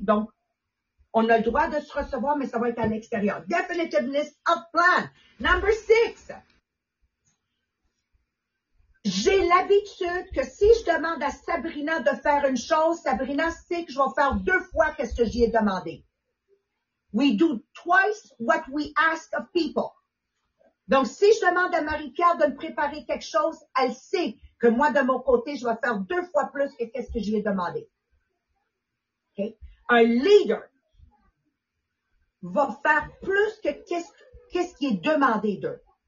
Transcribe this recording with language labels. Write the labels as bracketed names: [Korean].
[French] Donc, on a le droit de se recevoir, mais ça va être à l'extérieur. [English] Definitiveness of plan. Number 6. [French] J'ai l'habitude que si je demande à Sabrina de faire une chose, Sabrina sait que je vais faire deux fois ce que j'y ai demandé. [English] We do twice what we ask of people. [French] Donc, si je demande à Marie-Pierre de me préparer quelque chose, elle sait que moi, de mon côté, je vais faire deux fois plus que ce que j'y ai demandé. Okay? Un leader va faire plus que qu'est-ce qui est demandé d'eux.